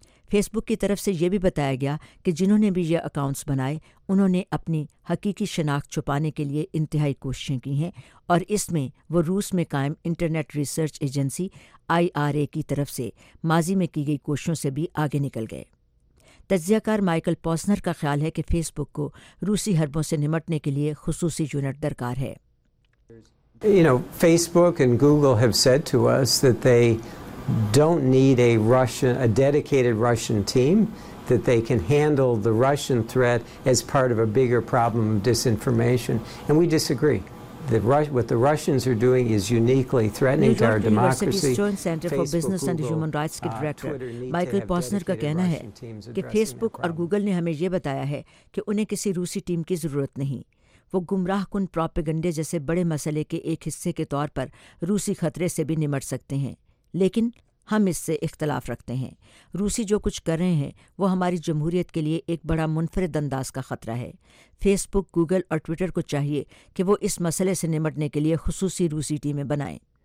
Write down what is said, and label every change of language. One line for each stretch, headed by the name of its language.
Urdu: Face بک کی طرف سے یہ بھی بتایا گیا کہ جنہوں نے بھی یہ اکاؤنٹس بنائے انہوں نے اپنی حقیقی شناخت چھپانے کے لیے انتہائی کوششیں کی ہیں، اور اس میں وہ روس میں قائم انٹرنیٹ ریسرچ ایجنسی IRA کی طرف سے ماضی میں کی گئی کوششوں سے بھی آگے نکل گئے۔ تجزیہ کار مائیکل پوسنر کا خیال ہے کہ فیس بک کو روسی حربوں سے نمٹنے کے لیے خصوصی یونٹ درکار ہے۔
English: don't need a Russian, a dedicated Russian team, that they can handle the Russian threat as part of a bigger problem of disinformation. And we disagree. What the Russians are doing is uniquely threatening to our democracy.
Urdu: New York University's Stern Center for Business and Human Rights کے director Michael پوسنر کا کہنا ہے کہ face بک اور Google نے ہمیں یہ بتایا ہے کہ انہیں کسی روسی ٹیم کی ضرورت نہیں۔ وہ گمراہ کن پروپیگنڈے جیسے بڑے مسئلے کے ایک حصے کے طور پر روسی خطرے سے بھی نمٹ سکتے ہیں، لیکن ہم اس سے اختلاف رکھتے ہیں۔ روسی جو کچھ کر رہے ہیں وہ ہماری جمہوریت کے لیے ایک بڑا منفرد انداز کا خطرہ ہے۔ فیس بک، گوگل اور ٹویٹر کو چاہیے کہ وہ اس مسئلے سے نمٹنے کے لیے خصوصی روسی ٹیمیں بنائیں۔